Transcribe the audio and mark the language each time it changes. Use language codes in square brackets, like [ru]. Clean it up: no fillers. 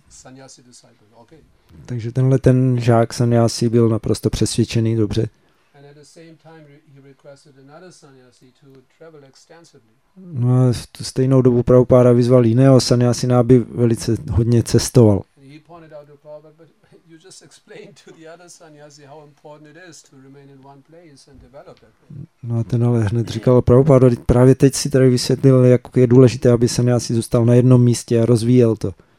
[en] sannyasi disciple. Okay. [cs] Takže tenhle ten žák sannyasi byl naprosto přesvědčený, dobře. [en] At the same time he requested another sannyasi to travel extensively. [cs] No a v tu stejnou dobu Prabhupada vyzval jiného sannyasina, aby velice hodně cestoval. [en] He pointed out to Prabhupada, but you just explained to the other sannyasi how important it is to remain in one place and develop it. [cs] No a ten ale hned říkal Prabhupada, právě teď si tady vysvětlil, jak je důležité, aby sannyasi zůstal na jednom místě a rozvíjel to.